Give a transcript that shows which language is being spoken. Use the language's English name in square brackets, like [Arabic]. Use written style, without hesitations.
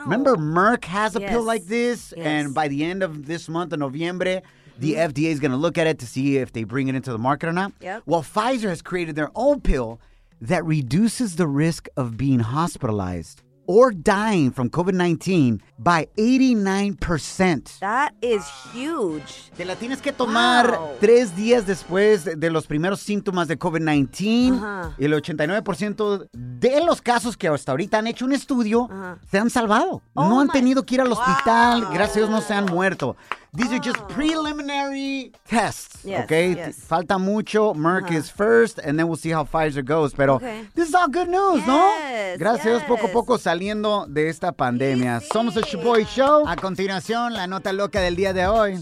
[English] Remember, Merck has a pill like this, and by the end of this month, in November, the FDA is going to look at it to see if they bring it into the market or not. Yep. Well, Pfizer has created their own pill that reduces the risk of being hospitalized or dying from COVID-19 by 89%. That is huge. [Spanish] Te la tienes que tomar tres días después de los primeros síntomas de COVID-19. Uh-huh. El 89% de los casos que hasta ahorita han hecho un estudio se han salvado. [English] Oh, [Spanish] no han [English] my... [Spanish] tenido que ir al hospital. [English] Wow. [Spanish] Gracias a Dios no se han muerto. [English] These are just preliminary tests, [Spanish] Falta mucho. [English] Merck is first, and then we'll see how Pfizer goes. Pero this is all good news, ¿no? [Spanish] Gracias a Dios, poco a poco saliendo de esta pandemia. [English] Easy. [Spanish] Somos el Shaboy Show. A continuación, la nota loca del día de hoy.